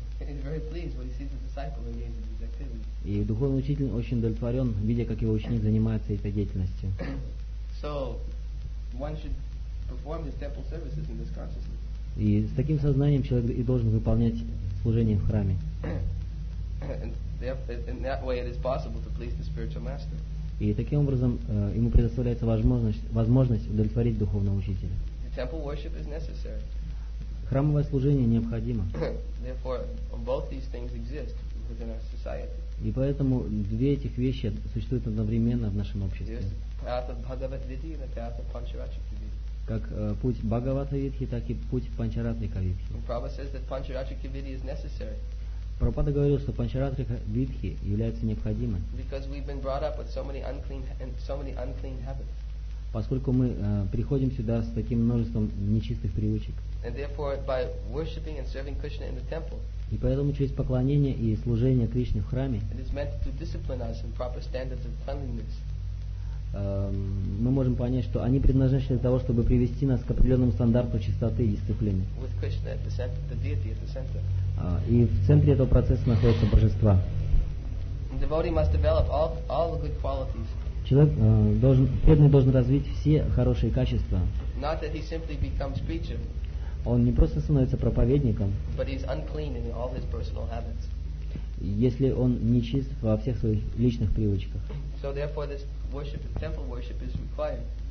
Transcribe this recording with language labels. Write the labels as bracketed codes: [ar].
[en] And he's very pleased when he sees the disciple engaged in these activities. [ru] И духовный учитель очень удовлетворен, видя, как его ученик занимается этой деятельностью. [en] So, one should perform his temple services in this consciousness. [ru] И с таким сознанием человек и должен выполнять служение в храме. [en] In that way it is possible to please the spiritual master. [ru] И таким образом ему предоставляется возможность удовлетворить духовного учителя. [en] The temple worship is necessary. [ru] Храмовое служение необходимо. [en] Therefore, both these things exist within our society. [ru] И поэтому две этих вещи существуют одновременно в нашем обществе. [en] Path of Bhagavad-Vidhi and the path of Pancharatrika-Vidhi. [ru] Как путь Бхагавата-Видхи, так и путь Панчаратрика-Видхи. [en] Prabhupada says that Pancharatrika-Vidhi is necessary. [ru] Прабхупада говорил, что Панчаратрика-Видхи является необходимой. [en] Because we've been brought up with so many unclean habits. [ru] Поскольку мы приходим сюда с таким множеством нечистых привычек. [en] And therefore, by worshipping and serving Krishna in the temple. [ru] И поэтому через поклонение и служение Кришне в храме. [en] It is meant to discipline us in proper standards of cleanliness. [ru] Мы можем понять, что они предназначены для того, чтобы привести нас к определенному стандарту чистоты и дисциплины. [en] With Krishna at the center, the deity at the center. [ru] И в центре этого процесса находятся божества. [en] Devotee must develop all the good qualities. [ru] Человек должен, преданный должен развить все хорошие качества. [en] Not that he simply becomes preacher. [ru] Он не просто становится проповедником. [en] But he's unclean in all his personal habits. [ru] Если он нечист во всех своих личных привычках. [en] So therefore this worship, temple worship is required.